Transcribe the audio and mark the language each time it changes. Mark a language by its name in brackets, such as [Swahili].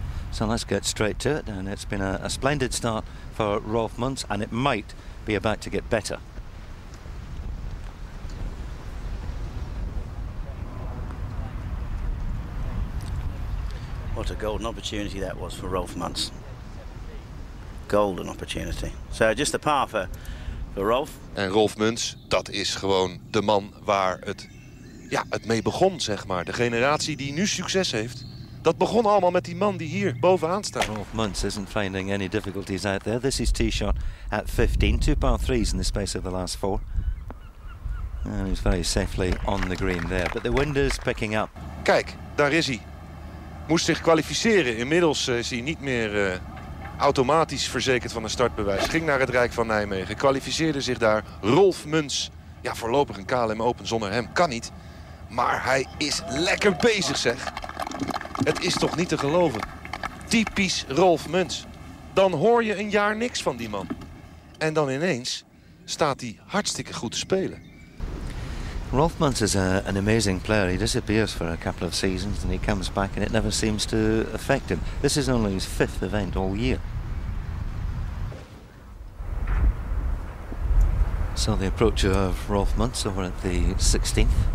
[English] So let's get straight to it, and it's been a splendid start for Rolf Muntz, and it might be about to get better. What a golden opportunity that was for Rolf Muntz. Golden opportunity. So just a par for Rolf. [Dutch] En Rolf Muntz, dat is gewoon de man waar het, ja, het mee begon, zeg maar. De generatie die nu succes heeft. Dat begon allemaal met die man die hier bovenaan staat. [English] Rolf Muntz isn't finding any difficulties out there. This is tee shot at 15. Two par threes in the space of the last four. And he's very safely on the green there. But the wind is picking up. [Dutch] Kijk, daar is hij. Moest zich kwalificeren. Inmiddels is hij niet meer automatisch verzekerd van een startbewijs. Ging naar het Rijk van Nijmegen. Kwalificeerde zich daar. Rolf Muntz. Ja, voorlopig een KLM Open zonder hem. Kan niet. Maar hij is lekker bezig, zeg. Het is toch niet te geloven. Typisch Rolf Muntz. Dan hoor je een jaar niks van die man. En dan ineens staat hij hartstikke goed te spelen. [English] Rolf Muntz is an amazing player. He disappears for a couple of seasons and he comes back and it never seems to affect him. This is only his fifth event all year. So the approach of Rolf Muntz over at the 16th.